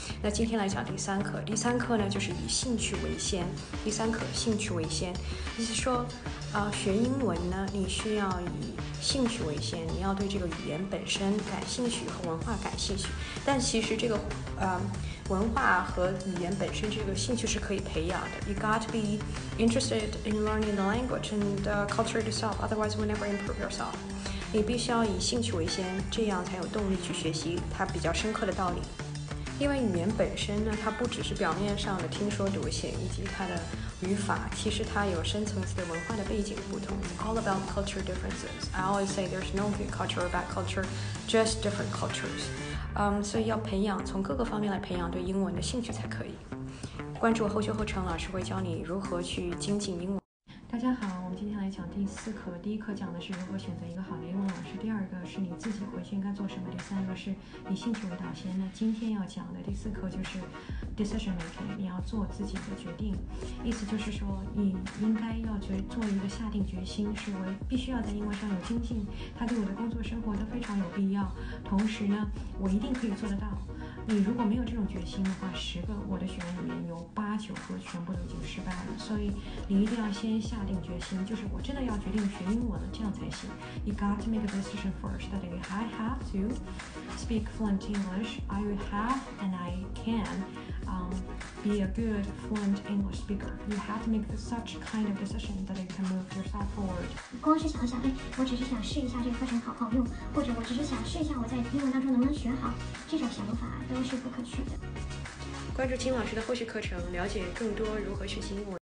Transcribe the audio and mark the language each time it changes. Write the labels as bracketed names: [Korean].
[Chinese] 那今天来讲第三课，第三课呢就是以兴趣为先。第三课兴趣为先，意思说学英文呢，你需要以兴趣为先，你要对这个语言本身感兴趣和文化感兴趣。但其实这个文化和语言本身这个兴趣是可以培养的。 [English] You got to be interested in learning the language and culture itself, otherwise you will never improve yourself. [Chinese] 你必须要以兴趣为先，这样才有动力去学习它比较深刻的道理。因为语言本身呢，它不只是表面上的听说读写以及它的语法，其实它有深层次的文化的背景不同。 [English] It's all about culture differences. I always say there's no good culture or bad culture, just different cultures. [Chinese] 所以要培养，从各个方面来培养对英文的兴趣才可以。关注我后学后成，老师会教你如何去精进英文。大家好，我们今天来讲第四课，第一课讲的是如何选择一个好的英文老师，第二个是你自己回去应该做什么，第三个是以兴趣为导先。那今天要讲的第四课就是 decision making， 你要做自己的决定。意思就是说你应该要做一个下定决心，是为必须要在英文上有精进，它对我的工作生活都非常有必要，同时呢我一定可以做得到。你如果没有这种决心的话，10个我的学员里面有8、9个全部都已经失败了。所以你一定要先下定决心，就是我真的要决定学英文了，这样才行。 [English] You got to make a decision first that if I have to speak fluent English, I will have and I can、be a good fluent English speaker. You have to make such kind of decision that you can move yourself forward. [Chinese] 光是想想，哎，我只是想试一下这个课程好不好用，或者我只是想试一下我在英文当中能不能学好，这种想法都是不可取的。关注秦老师的后续课程，了解更多如何学习英文。